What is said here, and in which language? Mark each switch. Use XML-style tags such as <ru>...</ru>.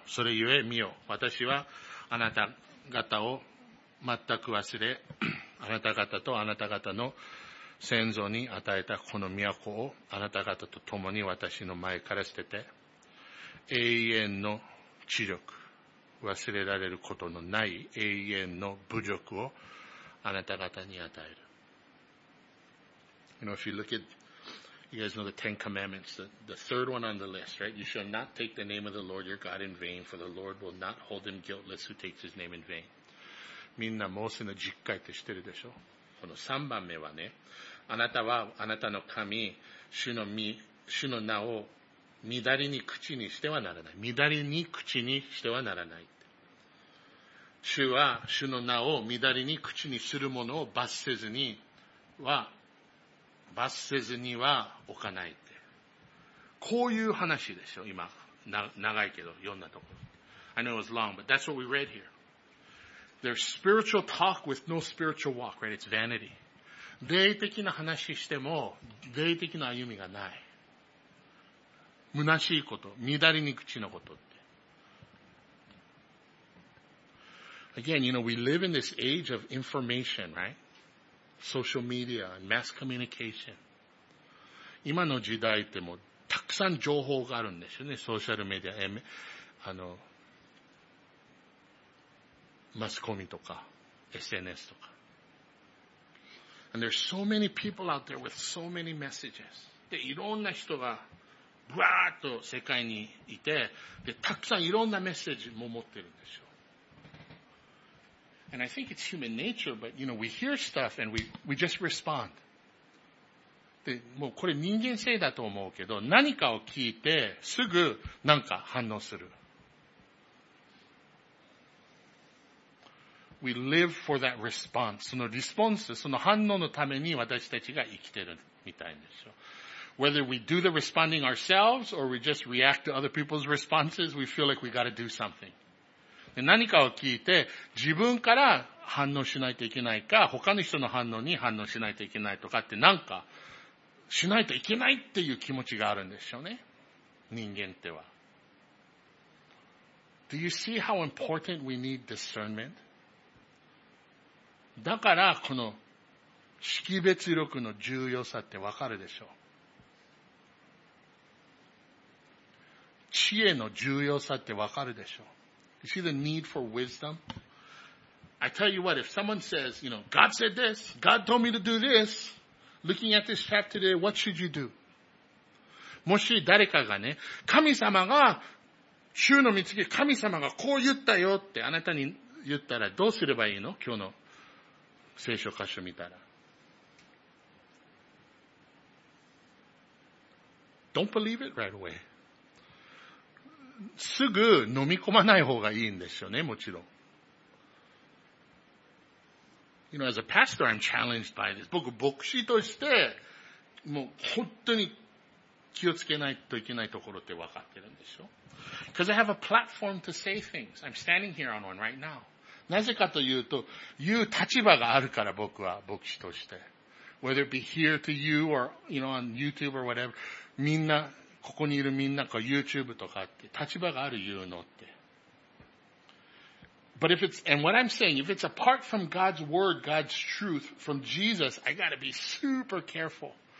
<ja>それゆえ見よ、私はあなた方を全く忘れ、あなた方とあなた方の先祖に与えたこの都をあなた方と共に私の前から捨てて、永遠の知力、忘れられることのない永遠の侮辱をあなた方に与える。</ja> <en>You know, if you look at, you guys know the Ten Commandments, the third one on the list, right? You shall not take the name of the Lord your God in vain, for the Lord will not hold him guiltless who takes his name in vain.</en> <ja>みんなモーセの十戒って知ってるでしょ？この三番目はね、あなたはあなたの神、主の名を乱れに口にしてはならない。乱れに口にしてはならない。主は主の名を乱れに口にするものを罰せずには、罰せずには置かないって。こういう話でしょ、今。長いけど、読んだところ。</ja> <en>I know it was long, but that's what we read here. There's spiritual talk with no spiritual walk, right? It's vanity.</en> <ja>霊的な話しても、霊的な歩みがない。虚しいこと、乱れに口のことって。</ja> <en>Again, you know, we live in this age of information, right? Social media and mass communication.</en> <ja>今の時代ってもうたくさん情報があるんですよね。ソーシャルメディア、マスコミとか、SNS とか。</ja> <en>And there's so many people out there with so many messages.</en> <ja>で、いろんな人がブワーッと世界にいて、で、たくさんいろんなメッセージも持ってるんですよ。</ja> <en>And I think it's human nature, but you know, we hear stuff and we just respond.</en> <ja>で、もうこれ人間性だと思うけど、何かを聞いてすぐなんか反応する。</ja> <en>We live for that response.</en> <ja>そのリスポンス、その反応のために私たちが生きてるみたいでしょ。</ja> <en>Whether we do the responding ourselves or we just react to other people's responses, we feel like we got to do something.</en> <ja>何かを聞いて自分から反応しないといけないか、他の人の反応に反応しないといけないとかって、なんかしないといけないっていう気持ちがあるんでしょうね、人間っては。</ja> <en>Do you see how important we need discernment?</en> <ja>だからこの識別力の重要さってわかるでしょう。知恵の重要さってわかるでしょう。</ja> <en>You see the need for wisdom? I tell you what, if someone says, you know, God said this, God told me to do this, looking at this chapter today, what should you do?</en> <ja>もし誰かがね、神様が、主の導き、神様がこう言ったよってあなたに言ったらどうすればいいの？今日の聖書箇所見たら。</ja> <en>Don't believe it right away.</en> <ja>すぐ飲み込まない方がいいんですよね、もちろん。</ja> <en>You know, as a pastor, I'm challenged by this.</en> <ja>僕、牧師として、もう本当に気をつけないといけないところって分かってるんでしょ。</ja> <en>Because I have a platform to say things. I'm standing here on one right now.</en> <ja>なぜかというと、言う立場があるから僕は、牧師として。</ja> <en>Whether it be here to you or, you know, on YouTube or whatever,</en> <ja>みんな、ここにいるみんなか YouTube とかって立場がある言うのって。</ja> <en>But if it's, and what I'm saying, if it's apart from God's word, God's truth, from Jesus, I gotta be super careful.</en>